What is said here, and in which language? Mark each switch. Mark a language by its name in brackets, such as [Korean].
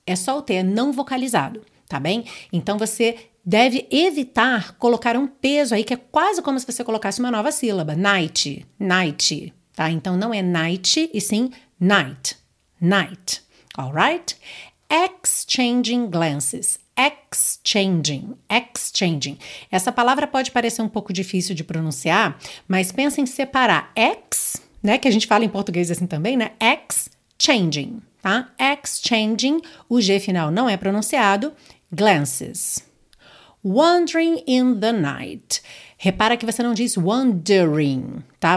[Portuguese] É só o T, é não vocalizado, tá bem? Então você deve evitar colocar um peso aí, que é quase como se você colocasse uma nova sílaba. Night, night, tá? Então não é night, e sim night, night, alright? [English] Exchanging glances. Exchanging, exchanging. [Portuguese] Essa palavra pode parecer um pouco difícil de pronunciar, mas pensa em separar ex, né, que a gente fala em português assim também, né? Exchanging, tá? Exchanging, o G final não é pronunciado, glances. [English] Wandering in the night. [Portuguese] Repara que você não diz wandering, tá?